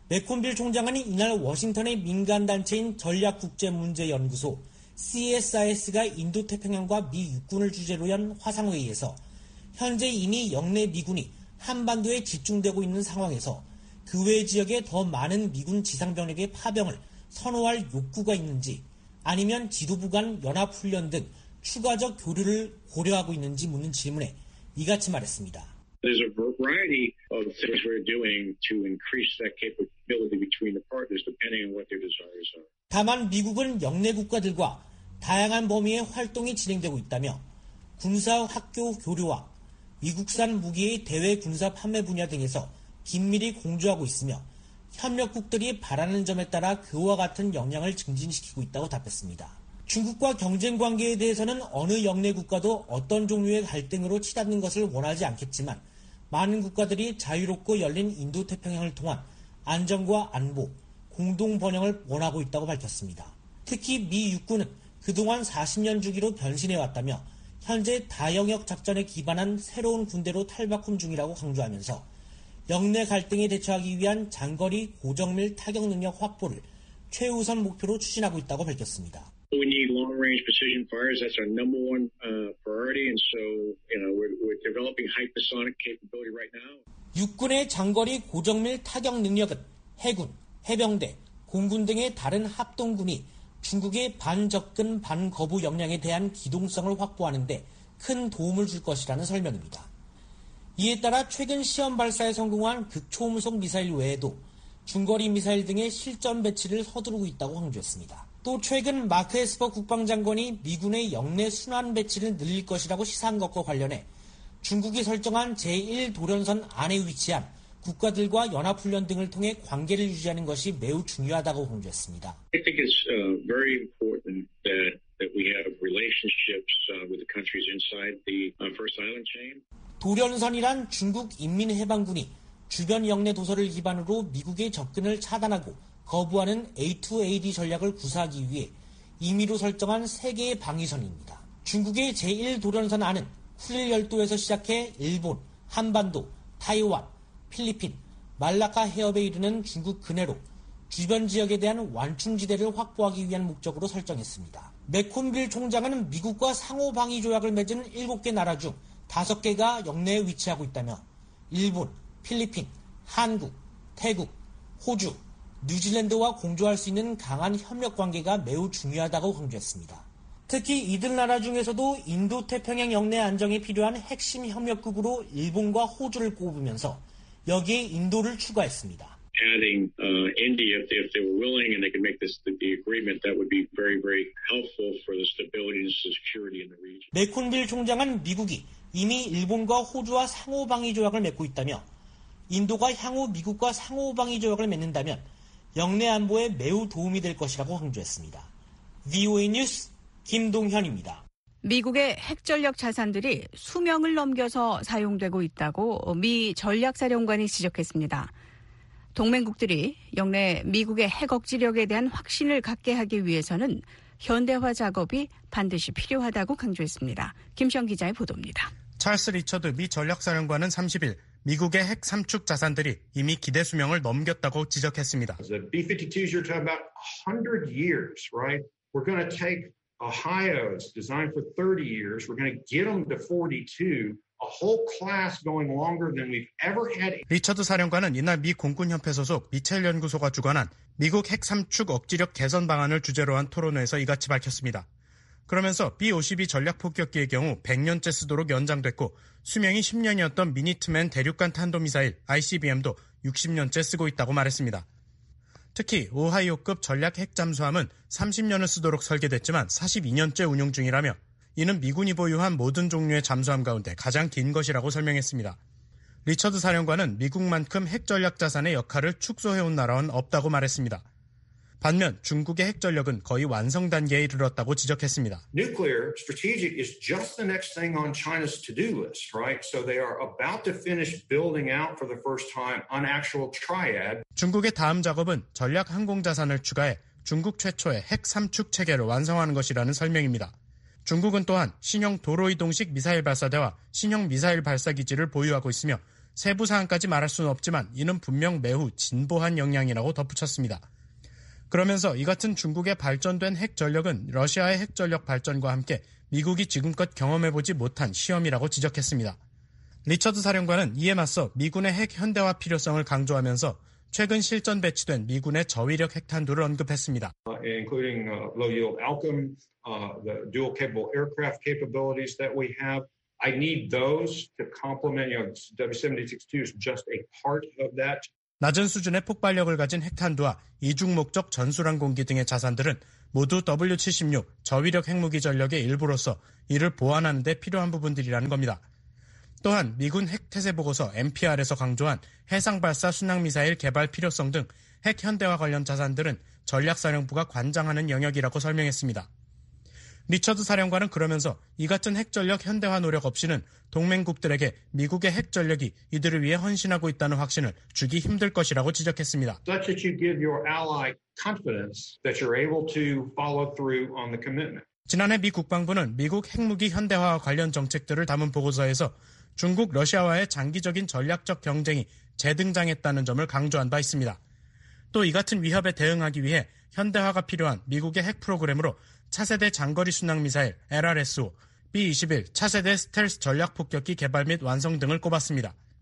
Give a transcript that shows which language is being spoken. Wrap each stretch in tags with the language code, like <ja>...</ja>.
<ko>맥콤빌 총장은 이날 워싱턴의 민간단체인 전략국제문제연구소 CSIS가 인도태평양과 미 육군을 주제로 연 화상회의에서 현재 이미 역내 미군이 한반도에 집중되고 있는 상황에서 그 외 지역에 더 많은 미군 지상병력의 파병을 선호할 욕구가 있는지 아니면 지도부 간 연합훈련 등 추가적 교류를 고려하고 있는지 묻는 질문에 이같이 말했습니다.</ko> <en>There's a variety of things we're doing to increase that capability between the partners depending on what their desires are.</en> <ko>다만 미국은 역내 국가들과 다양한 범위의 활동이 진행되고 있다며 군사 학교 교류와 미국산 무기의 대외 군사 판매 분야 등에서 긴밀히 공조하고 있으며 협력국들이 바라는 점에 따라 그와 같은 역량을 증진시키고 있다고 답했습니다. 중국과 경쟁 관계에 대해서는 어느 역내 국가도 어떤 종류의 갈등으로 치닫는 것을 원하지 않겠지만 많은 국가들이 자유롭고 열린 인도태평양을 통한 안정과 안보, 공동 번영을 원하고 있다고 밝혔습니다. 특히 미 육군은 그동안 40년 주기로 변신해왔다며 현재 다영역 작전에 기반한 새로운 군대로 탈바꿈 중이라고 강조하면서 역내 갈등에 대처하기 위한 장거리 고정밀 타격 능력 확보를 최우선 목표로 추진하고 있다고 밝혔습니다.</ko> <en>We need long-range precision fires. That's our number one priority. And so, you know, we're developing hypersonic capability right now.</en> <ko>육군의 장거리 고정밀 타격 능력은 해군, 해병대, 공군 등의 다른 합동군이 중국의 반접근 반거부 역량에 대한 기동성을 확보하는 데 큰 도움을 줄 것이라는 설명입니다. 이에 따라 최근 시험 발사에 성공한 극초음속 미사일 외에도 중거리 미사일 등의 실전 배치를 서두르고 있다고 강조했습니다. 또 최근 마크 에스퍼 국방장관이 미군의 역내 순환 배치를 늘릴 것이라고 시사한 것과 관련해 중국이 설정한 제1도련선 안에 위치한 국가들과 연합훈련 등을 통해 관계를 유지하는 것이 매우 중요하다고 강조했습니다.</ko> <en>I think it's very important that we have relationships with the countries inside the First Island Chain.</en> <ko>도련선이란 중국 인민해방군이 주변 역내 도서를 기반으로 미국의 접근을 차단하고 거부하는 A2AD 전략을 구사하기 위해 임의로 설정한 3개의 방위선입니다. 중국의 제1도련선 안은 후릴열도에서 시작해 일본, 한반도, 타이완, 필리핀, 말라카 해협에 이르는 중국 근해로 주변 지역에 대한 완충지대를 확보하기 위한 목적으로 설정했습니다. 맥콤빌 총장은 미국과 상호방위 조약을 맺은 7개 나라 중 5개가 역내에 위치하고 있다며 일본, 필리핀, 한국, 태국, 호주, 뉴질랜드와 공조할 수 있는 강한 협력 관계가 매우 중요하다고 강조했습니다. 특히 이들 나라 중에서도 인도태평양 역내 안정에 필요한 핵심 협력국으로 일본과 호주를 꼽으면서 여기에 인도를 추가했습니다.</ko> <en>Adding India, if they were willing and they could make this the agreement, that would be very, very helpful for the stability and security in the region.</en> <ko>맥콤빌 총장은 미국이 이미 일본과 호주와 상호방위 조약을 맺고 있다며 인도가 향후 미국과 상호방위 조약을 맺는다면 역내 안보에 매우 도움이 될 것이라고 강조했습니다. VOA 뉴스 김동현입니다. 미국의 핵전력 자산들이 수명을 넘겨서 사용되고 있다고 미 전략사령관이 지적했습니다. 동맹국들이 역내 미국의 핵 억지력에 대한 확신을 갖게 하기 위해서는 현대화 작업이 반드시 필요하다고 강조했습니다. 김시영 기자의 보도입니다. 찰스 리처드 미 전략사령관은 30일 미국의 핵 삼축 자산들이 이미 기대 수명을 넘겼다고 지적했습니다.</ko> <en>The B-52s are talking about 100 years, right? We're going to take Ohio's designed for 30 years. We're going to get them to 42. A whole class going longer than we've ever had.</en> <ko>리처드 사령관은 이날 미 공군협회 소속 미첼 연구소가 주관한 미국 핵 삼축 억지력 개선 방안을 주제로 한 토론회에서 이같이 밝혔습니다. 그러면서 B-52 전략폭격기의 경우 100년째 쓰도록 연장됐고 수명이 10년이었던 미니트맨 대륙간 탄도미사일 ICBM도 60년째 쓰고 있다고 말했습니다. 특히 오하이오급 전략 핵잠수함은 30년을 쓰도록 설계됐지만 42년째 운용 중이라며 이는 미군이 보유한 모든 종류의 잠수함 가운데 가장 긴 것이라고 설명했습니다. 리처드 사령관은 미국만큼 핵전략 자산의 역할을 축소해온 나라는 없다고 말했습니다. 반면 중국의 핵전력은 거의 완성 단계에 이르렀다고 지적했습니다.</ko> <en>Nuclear strategic is just the next thing on China's to-do list, right? So they are about to finish building out for the first time an actual triad.</en> <ko>중국의 다음 작업은 전략 항공 자산을 추가해 중국 최초의 핵 삼축 체계를 완성하는 것이라는 설명입니다. 중국은 또한 신형 도로이동식 미사일 발사대와 신형 미사일 발사기지를 보유하고 있으며 세부 사항까지 말할 수는 없지만 이는 분명 매우 진보한 역량이라고 덧붙였습니다. 그러면서 이 같은 중국의 발전된 핵전력은 러시아의 핵전력 발전과 함께 미국이 지금껏 경험해보지 못한 시험이라고 지적했습니다. 리처드 사령관은 이에 맞서 미군의 핵 현대화 필요성을 강조하면서 최근 실전 배치된 미군의 저위력 핵탄두를 언급했습니다.</ko> <en>Including low-yield Alchem, the dual-capable aircraft capabilities that we have. I need those to complement, you know, W-76-2 is just a part of that.</en> <ko>낮은 수준의 폭발력을 가진 핵탄두와 이중목적 전술항공기 등의 자산들은 모두 W-76 저위력 핵무기 전력의 일부로서 이를 보완하는 데 필요한 부분들이라는 겁니다. 또한 미군 핵태세 보고서 NPR에서 강조한 해상발사 순항미사일 개발 필요성 등 핵 현대화 관련 자산들은 전략사령부가 관장하는 영역이라고 설명했습니다. 리처드 사령관은 그러면서 이 같은 핵전력 현대화 노력 없이는 동맹국들에게 미국의 핵전력이 이들을 위해 헌신하고 있다는 확신을 주기 힘들 것이라고 지적했습니다.</ko> <en>Such that you give your ally confidence that you're able to follow through on the commitment.</en> <ko>지난해 미 국방부는 미국 핵무기 현대화와 관련 정책들을 담은 보고서에서 중국, 러시아와의 장기적인 전략적 경쟁이 재등장했다는 점을 강조한 바 있습니다. 또 이 같은 위협에 대응하기 위해 현대화가 필요한 미국의 핵 프로그램으로 차세대 장거리 순항미사일 LRSO, B-21 차세대 스텔스 전략 폭격기 개발 및 완성 등을 꼽았습니다.</ko>